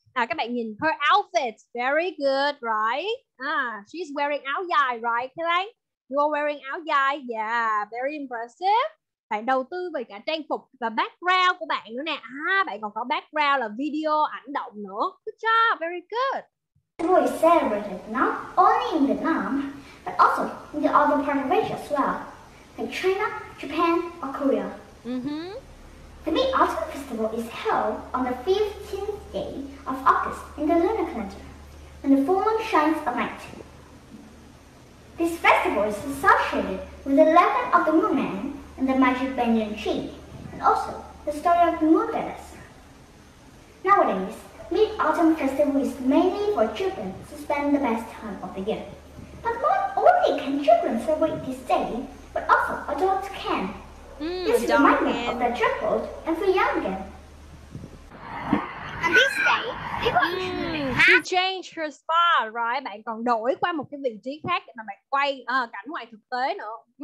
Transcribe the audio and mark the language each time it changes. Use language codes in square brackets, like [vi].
[vi] À, các bạn nhìn [en] her outfit, very good, right? She's wearing áo dài, right? Thank you. You're wearing áo dài, yeah, very impressive. [vi] Bạn đầu tư về cả trang phục và background của bạn nữa nè. Bạn còn có background là video, ảnh động nữa. [en] Good job, very good. Festival is celebrated not only in Vietnam, but also in the other parts of Asia as well, like China, Japan, or Korea. The Mid-Autumn Festival is held on the 15th day of August in the lunar calendar, when the full moon shines at night. This festival is associated with the legend of the moon man and the magic Banyan Tree, and also the story of the moon goddess. Nowadays, Mid-Autumn Festival is mainly for children to spend the best time of the year. But not only can children celebrate this day, but also adults can. This is a reminder of the childhood and for young again. And this day, she changed her spot, right? [vi] Bạn còn đổi qua một cái vị trí khác để mà bạn quay cảnh ngoài thực tế nữa.